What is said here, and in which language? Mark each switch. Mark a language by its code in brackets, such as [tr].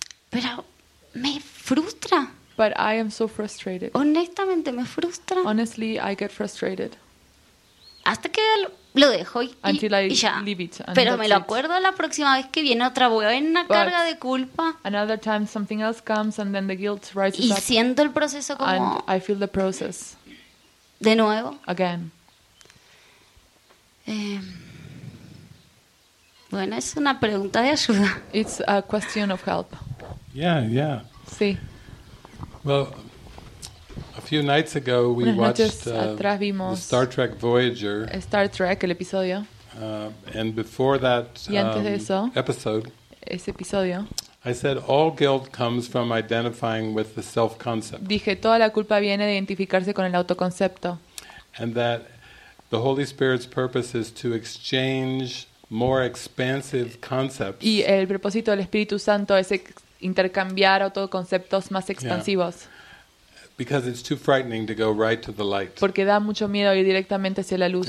[es] Pero me frustra. [en] But I am so frustrated. [es] Honestamente, me frustra. [en] Honestly, I get frustrated. [es] Hasta que lo dejo y ya. [en] Leave it, [es] pero me lo acuerdo la próxima vez que viene otra buena carga de culpa. [en] Another time something else comes and then the guilt rises [es] up. Y siento el proceso como. [en] And I feel the process. [es] De nuevo. [en] Again. [es] Bueno, es una pregunta de ayuda. [en] It's a question of help. Yeah, yeah. [es] Sí. [en] Well, a few nights ago we watched the Star Trek Voyager. [es] Star Trek, el episodio. [en] And before that episode, I said all guilt comes from identifying with the self-concept. [es] Dije toda la culpa viene de identificarse con el autoconcepto. [en] And that the Holy Spirit's purpose is to exchange more expansive concepts. [es] Y el propósito del Espíritu Santo es intercambiar autoconceptos más expansivos. [en] Because it's too frightening to go right to the light. [es] Porque da mucho miedo ir directamente hacia la luz.